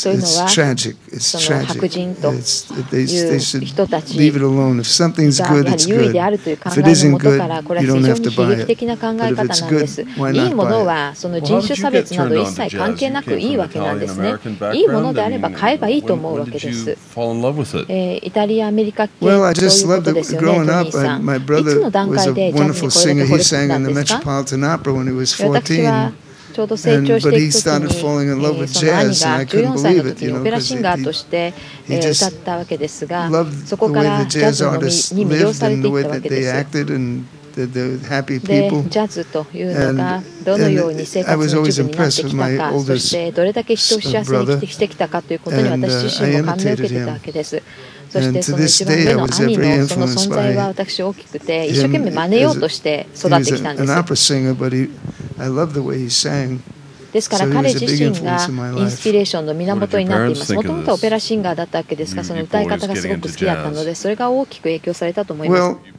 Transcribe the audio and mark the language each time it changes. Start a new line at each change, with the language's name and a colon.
Japanese: そういうのはその白人という人たちが優位であるという考えのもとから、これは非常に悲劇的な考え方なんです。いいものはその人種差別など一切関係なくいいわけなんですね。いいものであれば買えばいいと思うわけです。イタリア、アメリカ系ということですよね、トニーさん。いつの段階でジャズにこれだけ惚れてたんですか？
English: Opera when he was 14, and, but he started falling in love with jazz, and I couldn't believe it, you know, because he just loved the way the jazz artists lived and the way that they acted and the happy people. And I was always impressed with my oldest brother, and I imitated him.
Japanese: そしてその一番上の兄のその存在は私大きくて、一生懸命真似ようとして育ってきたんです。ですから彼自身がインスピレーションの源になっています。もともとオペラシンガーだったわけですが、その歌い方がすごく好きだったので、それが大きく影響されたと思います。